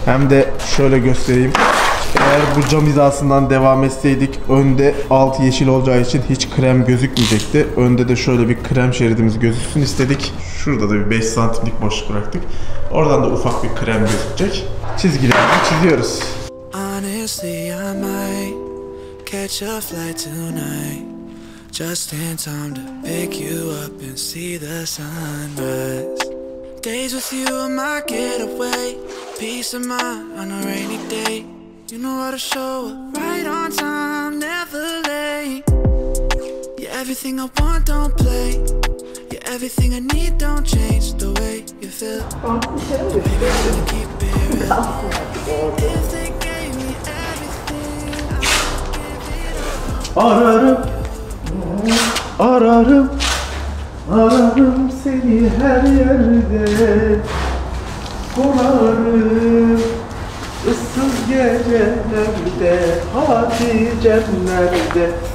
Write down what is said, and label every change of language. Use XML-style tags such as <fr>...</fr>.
<tr>Hem de şöyle göstereyim. Eğer bu cam hizasından devam etseydik önde alt yeşil olacağı için hiç krem gözükmeyecekti. Önde de şöyle bir krem şeridimiz gözüksün istedik. Şurada da bir 5 santimlik boşluk bıraktık. Oradan da ufak bir krem gözükecek. Çizgilerini çiziyoruz.</tr> <en>Honestly I might catch a flight tonight. Just in time to pick you up and see the sunrise. Days with you are my getaway. Peace of mind on a rainy day. You know how to show up right on time, never late. You're everything I want, don't play. You're everything I need, don't change the way you feel. Baby, you can keep it real. If they gave me everything, I would give it up.</en> <tr>Ararım, ararım seni her yerde. Sorarım ıssız gecelerde, hadi cennette.</tr>